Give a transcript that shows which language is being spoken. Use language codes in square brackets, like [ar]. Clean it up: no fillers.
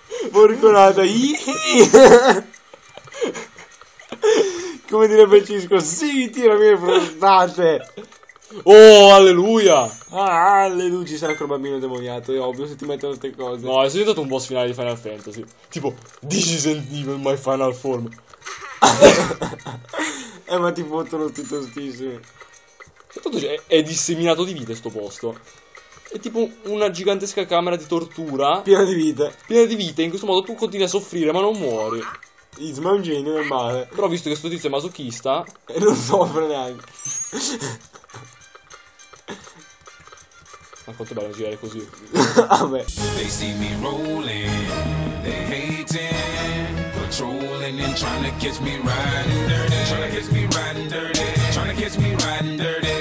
[it] Porconata. Come direbbe Cisco, sì, tirami le frustate. Oh, alleluia! Ah, alleluia, ci sarà quel bambino demoniato, è ovvio, se ti mettono tutte cose. No, è diventato un boss finale di Final Fantasy. [en] Tipo, this is an evil, my final form. [it] ma ti fottono tutti tostissimi. Tanto è disseminato di vite sto posto. È tipo una gigantesca camera di tortura. Piena di vite. Piena di vite, in questo modo tu continui a soffrire ma non muori. Yzma è un genio, è male. Però visto che sto tizio è masochista e non soffre neanche. Ma quanto bello girare così. Vabbè. [en] They see me rolling, they hating, patrolling and trying to catch me riding dirty, trying to catch me riding dirty, trying to catch me riding dirty.